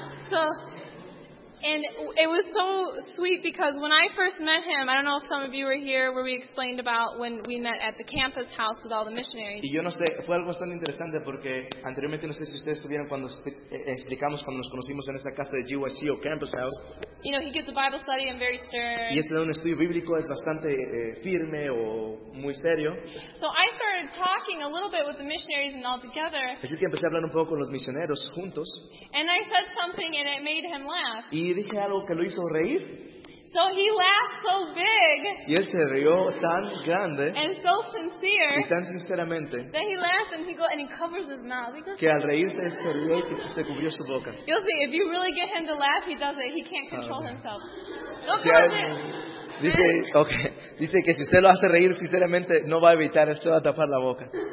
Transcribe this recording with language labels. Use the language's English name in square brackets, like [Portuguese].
[English] So, and it was so sweet because when I first met him, I don't know if some of you were here where we explained about when we met at the campus house with all the missionaries. [Spanish] Y yo no sé, fue algo bastante interesante porque anteriormente no sé si ustedes estuvieron cuando explicamos cuando nos conocimos en esa casa de GYC o campus house. [English] You know, he gives a Bible study and very stern. [Spanish] Y este da un estudio bíblico, es bastante firme o muy serio. [English] So I started talking a little bit with the missionaries and all together. [Spanish] Así que empecé a hablar un poco con los misioneros juntos. [English] And I said something and it made him laugh. [Spanish] Y dije algo que lo hizo reír. [English] So he laughed so big. [Spanish] Y él se rió tan grande. [English] And so sincere. [Spanish] Y tan sinceramente. [English] That he laughs and he covers his mouth. [Spanish] Que al reírse se rió y se cubrió su boca. [English] You'll see, if you really get him to laugh, he does it. He can't control himself. No cause it. [Spanish] Dice que si usted lo hace reír sinceramente no va a evitar, usted va a tapar la boca.